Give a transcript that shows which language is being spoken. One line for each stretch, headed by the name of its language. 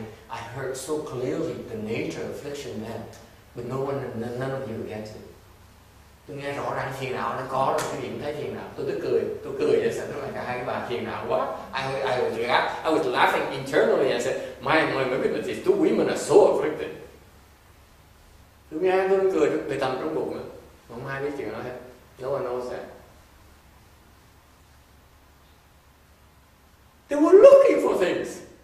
English: I heard so clearly the nature of affliction then, but none of you get it.
Vietnamese: Tôi nghe rõ ràng phiền não nó có rồi, quý vị thấy phiền não, tôi cười và sẵn lại cả hai cái bà phiền não quá.
English: I was laughing internally and said, my women are these two women are so afflicted.
Vietnamese: Tôi nghe tôi cười tôi tầm trong bụng mà không ai biết chuyện đó hết.
English: No one knows that. They were looking for things.